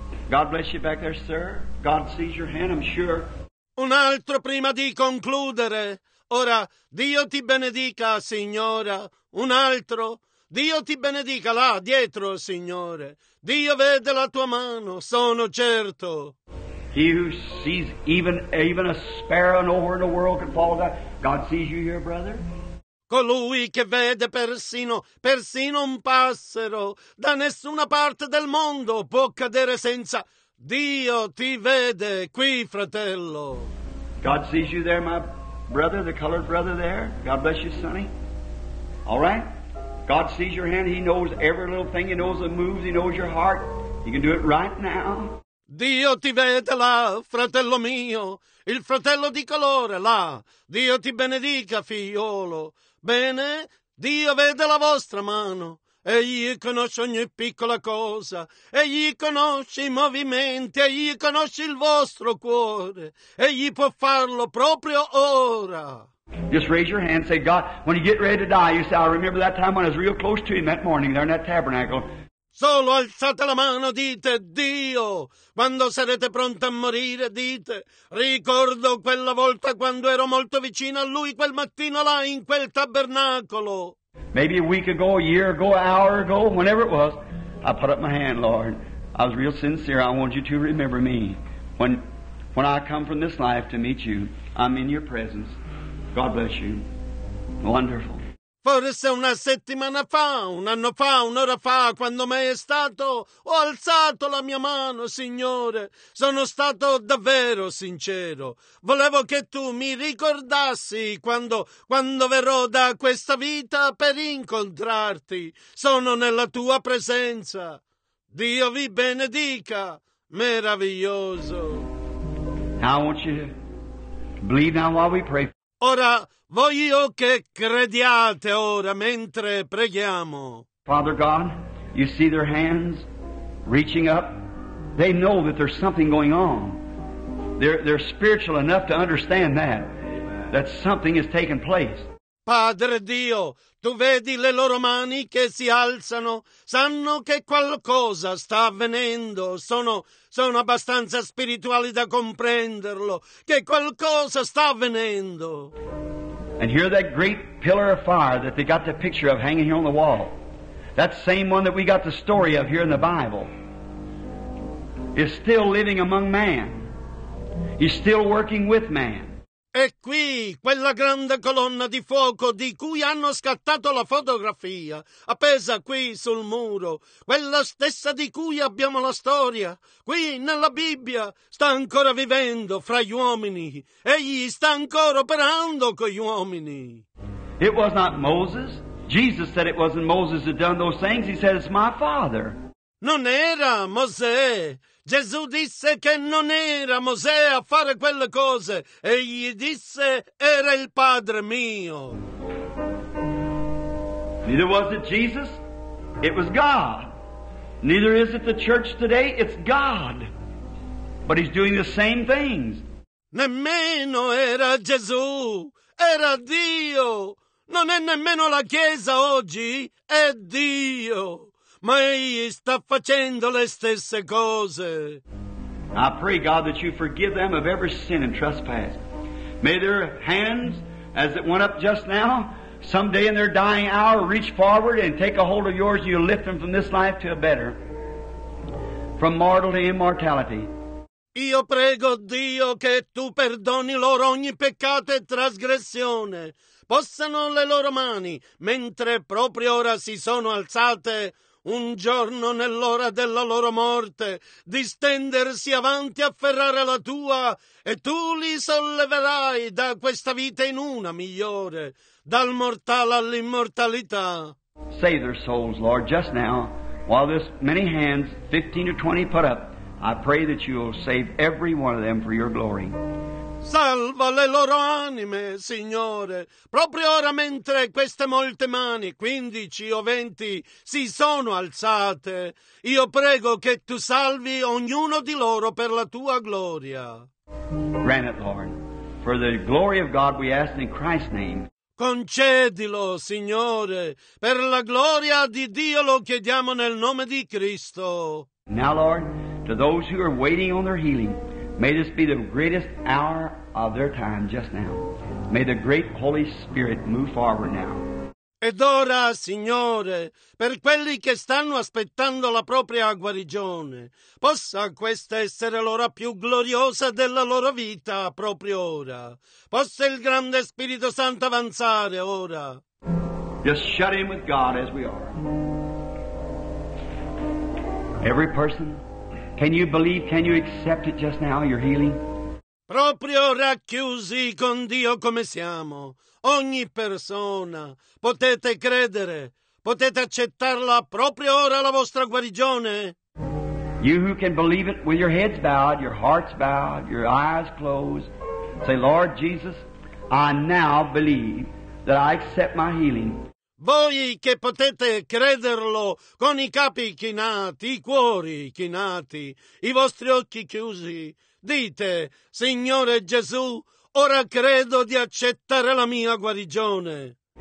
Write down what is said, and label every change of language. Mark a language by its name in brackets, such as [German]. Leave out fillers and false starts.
[English] God bless you back there, sir. God sees your hand, I'm sure. [Italian] Un altro prima di concludere. Ora, Dio ti benedica, signora. Un altro. Dio ti benedica là, dietro, signore. Dio vede la tua mano, sono certo. [English] He who sees even a sparrow nowhere in the world can fall down. God sees you here, brother. [Italian] Colui che vede persino un passero da nessuna parte del mondo può cadere senza... Dio ti vede qui, fratello. [English] God sees you there, my brother, the colored brother there. God bless you, sonny. All right? God sees your hand. He knows every little thing. He knows the moves. He knows your heart. You can do it right now. [Italian] Dio ti vede là, fratello mio. Il fratello di colore là. Dio ti benedica, figliolo. Bene, Dio vede la vostra mano. Egli conosce ogni piccola cosa, egli conosce i movimenti, egli conosce il vostro cuore, egli può farlo proprio ora. [English] Just raise your hand, say, God, when you get ready to die, you say, I remember that time when I was real close to him that morning there in that tabernacle. [Italian] Solo alzate la mano, dite Dio. Quando sarete pronti a morire, dite: ricordo quella volta quando ero molto vicino a lui quel mattino là in quel tabernacolo. [English] Maybe a week ago, a year ago, an hour ago, whenever it was, I put up my hand, Lord. I was real sincere. I want you to remember me. When I come from this life to meet you, I'm in your presence. God bless you. Wonderful. [Italian] Forse una settimana fa, un anno fa, un'ora fa, quando mai è stato, ho alzato la mia mano, Signore. Sono stato davvero sincero. Volevo che Tu mi ricordassi quando verrò da questa vita per incontrarti. Sono nella Tua presenza. Dio vi benedica. Meraviglioso. [English] Now, won't you believe now while we pray? [Italian] Ora voglio che crediate ora mentre preghiamo. [English] Father God, you see their hands reaching up. They know that there's something going on. They're spiritual enough to understand that something has taken place. [Italian] Padre Dio, Tu vedi le loro mani che si alzano, sanno che qualcosa sta avvenendo, sono abbastanza spirituali da comprenderlo, che qualcosa sta avvenendo. [English] And here that great pillar of fire that they got the picture of hanging here on the wall, that same one that we got the story of here in the Bible, is still living among man. He's still working with man. [Italian] E qui, quella grande colonna di fuoco di cui hanno scattato la fotografia, appesa qui sul muro, quella stessa di cui abbiamo la storia, qui nella Bibbia, sta ancora vivendo fra gli uomini. Egli sta ancora operando con gli uomini. [English] It was not Moses. Jesus said it wasn't Moses that done those things. He said, it's my Father. [Italian] Non era Mosè. Gesù disse che non era Mosè a fare quelle cose. Egli disse, era il Padre mio. [English] Neither was it Jesus, it was God. Neither is it the church today, it's God. But he's doing the same things. [Italian] Nemmeno era Gesù, era Dio. Non è nemmeno la Chiesa oggi, è Dio. Ma egli sta facendo le stesse cose. [English] I pray, God, that you forgive them of every sin and trespass. May their hands, as it went up just now, someday in their dying hour, reach forward and take a hold of yours, and you'll lift them from this life to a better, from mortal to immortality. [Italian] Io prego, Dio, che tu perdoni loro ogni peccato e trasgressione. Possano le loro mani, mentre proprio ora si sono alzate, un giorno nell'ora della loro morte, distendersi avanti, afferrare la tua, e tu li solleverai da questa vita in una migliore, dal mortale all'immortalità. [English] Save their souls, Lord, just now, while this many hands, 15 or 20 put up, I pray that you will save every one of them for your glory. [Italian] Salva le loro anime, Signore, proprio ora mentre queste molte mani, 15 o 20, si sono alzate. Io prego che tu salvi ognuno di loro per la tua gloria. [English] Grant it, Lord, for the glory of God we ask in Christ's name. [Italian] Concedilo, Signore, per la gloria di Dio lo chiediamo nel nome di Cristo. [English] Now, Lord, to those who are waiting on their healing, may this be the greatest hour of their time just now. May the great Holy Spirit move forward now. [Italian] Ed ora, Signore, per quelli che stanno aspettando la propria guarigione, possa questa essere l'ora più gloriosa della loro vita proprio ora. Possa il grande Spirito Santo avanzare ora. [English] Just shut in with God as we are. Every person, can you believe, can you accept it just now, your healing? [Italian] Proprio racchiusi con Dio come siamo, ogni persona, potete credere, potete accettarla proprio ora la vostra guarigione? [English] You who can believe it with your heads bowed, your hearts bowed, your eyes closed, say, Lord Jesus, I now believe that I accept my healing. [Italian] Voi che potete crederlo con i capi chinati, i cuori chinati, i vostri occhi chiusi, dite, Signore Gesù, ora credo di accettare la mia guarigione.